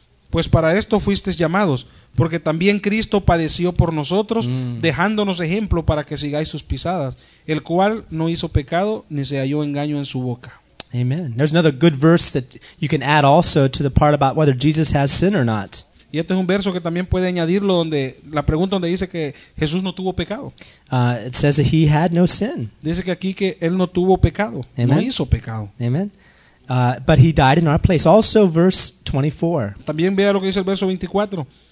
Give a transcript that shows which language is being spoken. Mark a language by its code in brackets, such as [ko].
[es] Pues para esto fuisteis llamados, porque también Cristo padeció por nosotros, dejándonos ejemplo para que sigáis sus pisadas, el cual no hizo pecado ni se halló engaño en su boca. Amen. [en] There's another good verse that you can add also to the part about whether Jesus has sin or not. [es] Y este es un verso que también puede añadirlo donde la pregunta donde dice que Jesús no tuvo pecado. [en] It says that he had no sin. [es] Dice que aquí que él no tuvo pecado. Amen. No hizo pecado. [en] Amen. But he died in our place. Also verse 24. [es] También vea lo que dice el verso 24.